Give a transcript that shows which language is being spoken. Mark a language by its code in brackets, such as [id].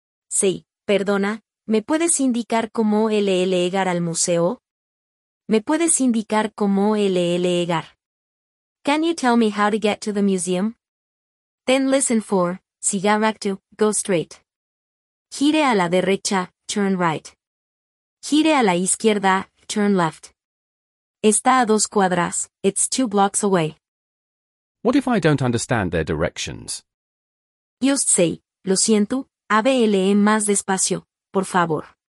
[es] Sí, perdona, ¿me puedes indicar cómo llegar al museo? ¿Me puedes indicar cómo llegar? [en] Can you tell me how to get to the museum? Then listen for, [es] siga recto, [en] go straight. [es] Gire a la derecha, [en] turn right. [es] Gire a la izquierda, [en] turn left. [es] Está a dos cuadras, [en] it's two blocks away. What if I don't understand their directions? Just say, [es] lo siento, hable más despacio, por favor.